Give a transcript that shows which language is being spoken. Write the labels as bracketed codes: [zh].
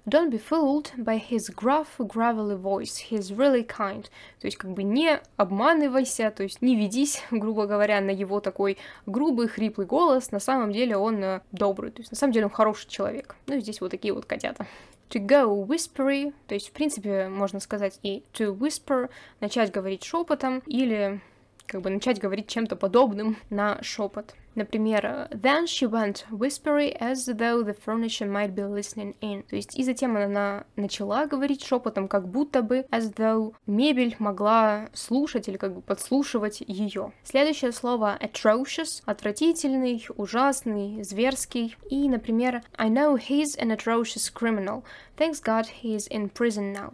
[en] Don't be fooled by his gruff, gravelly voice. He's really kind. [ru] То есть, как бы не обманывайся, то есть не ведись, грубо говоря, на его такой грубый, хриплый голос. На самом деле он добрый, то есть на самом деле он хороший человек. Ну и здесь вот такие вот котята. [en] To go whispery, [ru] то есть, в принципе, можно сказать и [en] to whisper, [ru] начать говорить шепотом, или как бы начать говорить чем-то подобным на шепот. Например, [en] then she went whispery as though the furniture might be listening in. [ru] То есть, и затем она начала говорить шепотом, как будто бы [en] as though [ru] мебель могла слушать или как бы подслушивать ее. Следующее слово atrocious, отвратительный, ужасный, зверский. И, например, [en] I know he's an atrocious criminal. Thanks God he's in prison now.